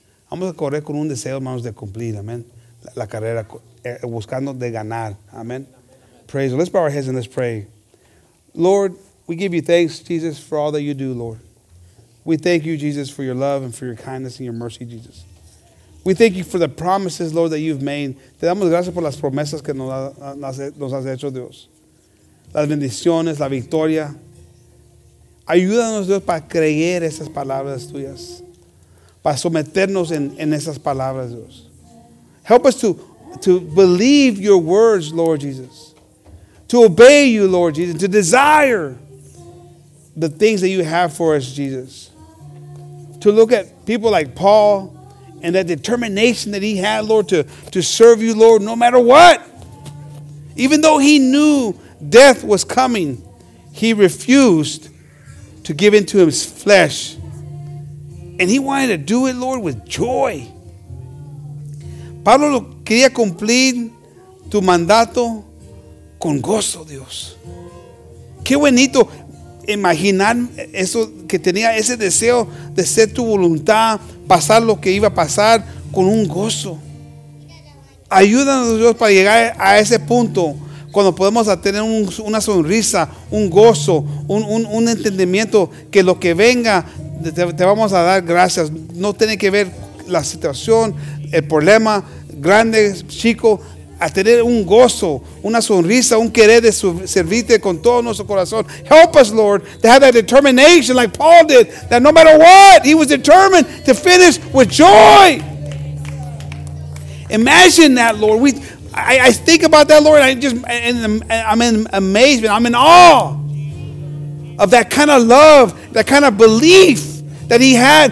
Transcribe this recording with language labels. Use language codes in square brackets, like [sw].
[es] Vamos a correr con un deseo, hermanos, de cumplir, amen. La carrera, buscando de ganar, amen. [en] Praise. Let's bow our heads and let's pray. Lord, we give you thanks, Jesus, for all that you do, Lord. We thank you, Jesus, for your love and for your kindness and your mercy, Jesus. We thank you for the promises, Lord, that you've made. [es] Te damos gracias por las promesas que nos has hecho, Dios. Las bendiciones, la victoria. Ayúdanos, Dios, para creer esas palabras tuyas. Para someternos en esas palabras, Dios. [en] Help us to believe your words, Lord Jesus. To obey you, Lord Jesus. To desire the things that you have for us, Jesus. To look at people like Paul and that determination that he had, Lord, to serve you, Lord, no matter what. Even though he knew death was coming, he refused to give into his flesh. And he wanted to do it, Lord, with joy. [es] Pablo quería cumplir tu mandato con gozo, Dios. Qué bonito imaginar eso, que tenía ese deseo de ser tu voluntad, pasar lo que iba a pasar con un gozo. Ayúdanos, Dios, para llegar a ese punto cuando podemos tener una sonrisa, un gozo, un entendimiento que lo que venga te vamos a dar gracias. No tiene que ver la situación, el problema, grande, chico, a tener un gozo, una sonrisa, un querer de servirte con todo nuestro corazón. [en] Help us, Lord, to have that determination like Paul did, that no matter what, he was determined to finish with joy. Imagine that, Lord. I think about that, Lord, I'm in awe of that kind of love, that kind of belief that he had.